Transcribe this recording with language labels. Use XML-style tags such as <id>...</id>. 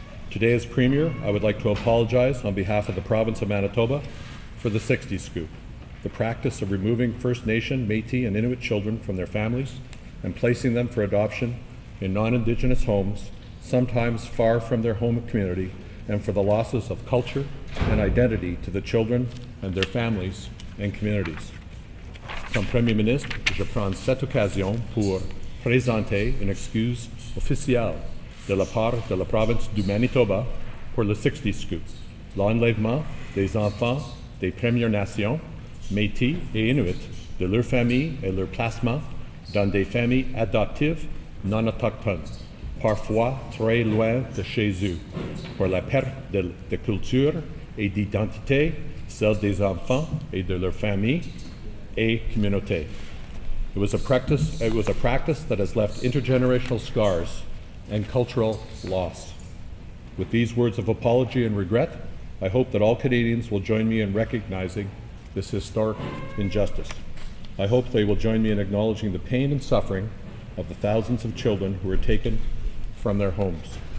<en>Today, as Premier, I would like to apologize on behalf of the Province of Manitoba for the 60s Scoop, the practice of removing First Nation, Métis, and Inuit children from their families and placing them for adoption in non-Indigenous homes, sometimes far from their home community, and for the losses of culture and identity to the children and their families and communities.</en> <fr>Comme Premier Ministre, je prends cette occasion pour présenter une excuse officielle de la part de la province du Manitoba pour le 60 Scoop, l'enlèvement des enfants des Premières Nations, Métis et Inuit, de leur famille et leur placement dans des familles adoptives non autochtones, parfois très loin de chez eux, pour la perte de culture et d'identité, celle des enfants et de leur famille et communauté.</fr> <en>It was a practice that has left intergenerational scars and cultural loss. With these words of apology and regret, I hope that all Canadians will join me in recognizing this historic injustice. I hope they will join me in acknowledging the pain and suffering of the thousands of children who were taken from their homes.</en>